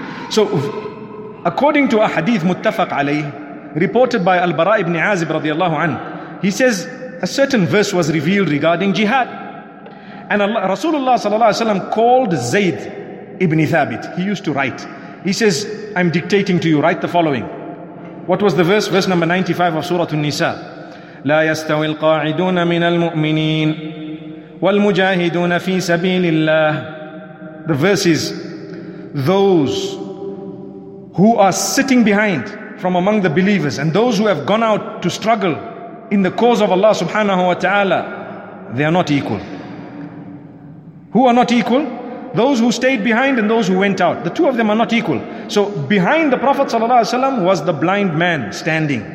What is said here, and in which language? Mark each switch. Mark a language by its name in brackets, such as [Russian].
[English] So according to a hadith muttafaq alayhi, reported by Al-Bara ibn Azib radiallahu anhu, he says a certain verse was revealed regarding jihad, and Rasulullah sallallahu alaihi wasallam called Zayd ibn Thabit. He used to write. He says, I'm dictating to you, write the following. What was the verse? Verse number 95 of Surah An-Nisa. [Arabic] لا يستوي القاعدون من المؤمنين والمجاهدون في سبيل الله. [English] The verse is, those who are sitting behind from among the believers and those who have gone out to struggle in the cause of Allah subhanahu wa ta'ala, they are not equal. Who are not equal? Those who stayed behind and those who went out. The two of them are not equal. So behind the Prophet sallallahu alaihi wasallam was the blind man standing.